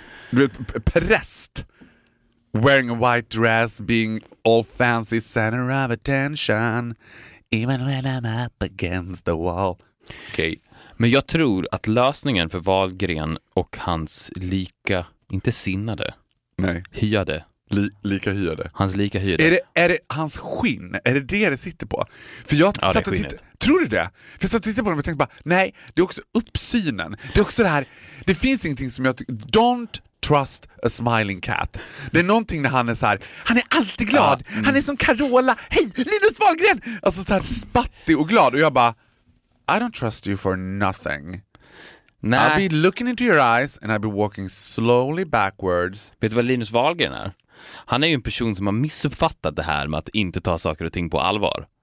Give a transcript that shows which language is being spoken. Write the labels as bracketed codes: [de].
[sv] Du vet, [en] präst wearing a white dress, being all fancy, center of attention, even when I'm up against the wall. Okay. [sv] Men jag tror att lösningen för Wahlgren och hans lika, inte sinnade, nej, hyade. Lika hyade. Hans lika hyade. Är det hans skinn? Är det det sitter på? För jag ja, satt och tittade. Tror du det? För jag satt och tittade på dem och tänkte bara, nej, det är också uppsynen. Det är också det här, det finns ingenting som jag tycker, [en] don't trust a smiling cat. [sv] Det är någonting när han är så här, han är alltid glad. Ja, han är som Carola. Hej, Linus Wahlgren! Alltså så här spattig och glad. Och jag bara, [en] I don't trust you for nothing. [sv] Nej. [en] I'll be looking into your eyes and I'll be walking slowly backwards. [sv] Vet du vad Linus Wahlgren är? Han är ju en person som har missuppfattat det här med att inte ta saker och ting på allvar.